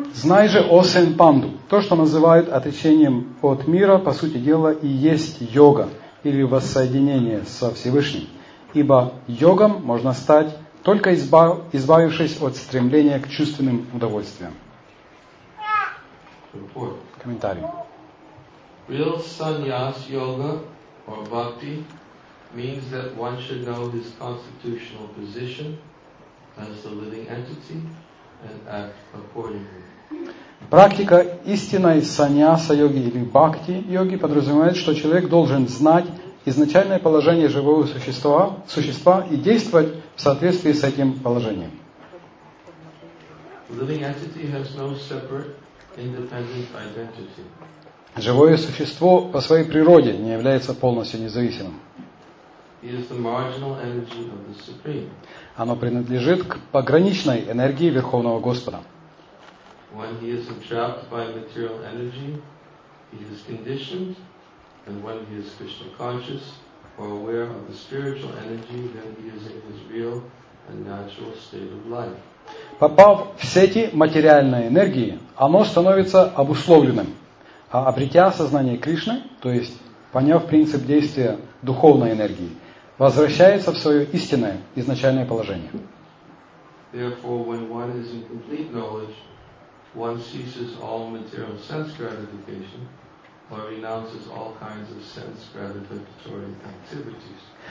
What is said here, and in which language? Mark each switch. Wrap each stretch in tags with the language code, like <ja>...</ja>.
<ru>Знай же, о сын Панду, то, что называют отречением от мира, по сути дела, и есть йога, или воссоединение со Всевышним. Ибо йогом можно стать, только избавившись от стремления к чувственным удовольствиям. Комментарий.</ru> <en>Real sannyas yoga or bhakti means that one should know his constitutional position as the living entity and act accordingly.</en> <ru>Практика истинной саньяса йоги или бхакти йоги подразумевает, что человек должен знать изначальное положение живого существа и действовать в соответствии с этим положением.</ru> <en>Living entity has no separate independent identity.</en> <ru>Живое существо по своей природе не является полностью независимым.</ru> <en>It is the marginal energy of the Supreme.</en> <ru>Оно принадлежит к пограничной энергии Верховного Господа.</ru> <en>When he is entrapped by material energy, he is conditioned, and when he is Krishna conscious or aware of the spiritual energy, then he is in his real and natural state of life.</en> <ru>Попав в сети материальной энергии, оно становится обусловленным. А обретя сознание Кришны, то есть поняв принцип действия духовной энергии, возвращается в свое истинное изначальное положение.</ru> <en>Therefore, when one is in complete knowledge, one ceases all material sense gratification or renounces all kinds of sense gratificatory activities.</en>